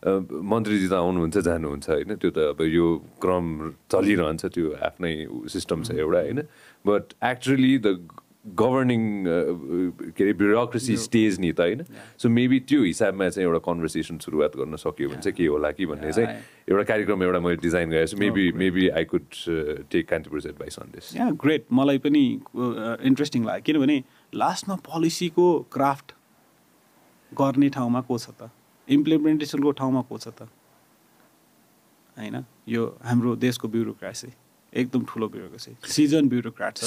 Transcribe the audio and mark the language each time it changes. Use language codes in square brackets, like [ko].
[ne] मन्त्रीजी त आउनुहुन्छ जानुहुन्छ, होइन, त्यो त अब यो क्रम चलिरहन्छ, त्यो आफ्नै सिस्टम छ एउटा, होइन. [en] but actually the governing [ne] के अरे [en] bureaucracy stage [ne] नि त, होइन. सो मेबी त्यो हिसाबमा चाहिँ एउटा कन्भर्सेसन सुरुवात गर्न सकियो भने चाहिँ के होला कि भन्ने चाहिँ एउटा कार्यक्रम एउटा मैले डिजाइन गरेको छु. [en] Maybe I could take Kantipur advice on this. Yeah great, [ne] मलाई पनि इन्ट्रेस्टिङ लाग्यो, किनभने लास्टमा पोलिसीको क्राफ्ट गर्ने ठाउँमा को छ त, इम्प्लिमेन्टेसनको ठाउँमा को छ त, होइन. यो हाम्रो देशको ब्युरोक्रेसी एकदम ठुलो ब्युरोक्रेसी, सिजन ब्युरोक्रेट,